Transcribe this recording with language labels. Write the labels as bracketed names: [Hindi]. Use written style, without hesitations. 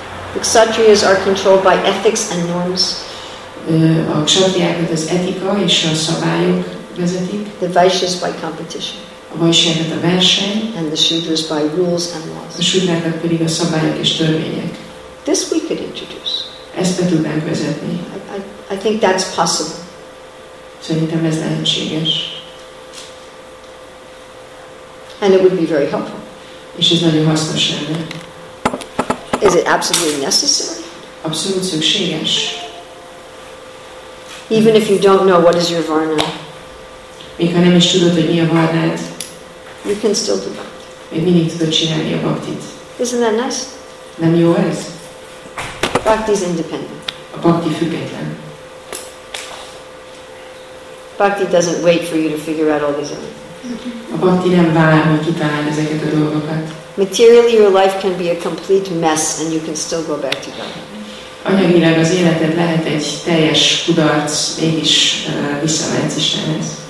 [English] The kshatriyas are controlled by ethics and norms. [Hungarian] A kshatriákat az etika és a szabályok vezetik. [English] The vaishyas by competition. [Hungarian] A vaishyákat a verseny. [English] And the shudras by rules and laws. [Hungarian] A shudrákat pedig a szabályok és törvények. [English] This we could introduce. [Hungarian] Ezt be tudnánk vezetni. [English] I think that's possible. [Hungarian] Szerintem ez lehetséges. [English] And it would be very helpful. [Hungarian] És ez nagyon hasznos lenne. [English] Is it absolutely necessary? [Hungarian] Abszolút szükséges. [English] Even if you don't know what is your varna. [Hungarian] Még ha nem is tudod, hogy mi a varnád. [English] You can still do that. [Hungarian] Még mindig tudod csinálni a baktit. [English] Isn't that nice? [Hungarian] Nem jó ez? [English] Bhakti is independent. [Hungarian] A bhakti független. [English] Bhakti doesn't wait for you to figure out all these other things. [Hungarian] A bhakti nem vár, hogy kitalálni ezeket a dolgokat. [English] Materially, your life can be a complete mess, and you can still go back to God. [Hungarian] Anyagilag az életed lehet egy teljes kudarc, mégis visszamehetsz Istenhez.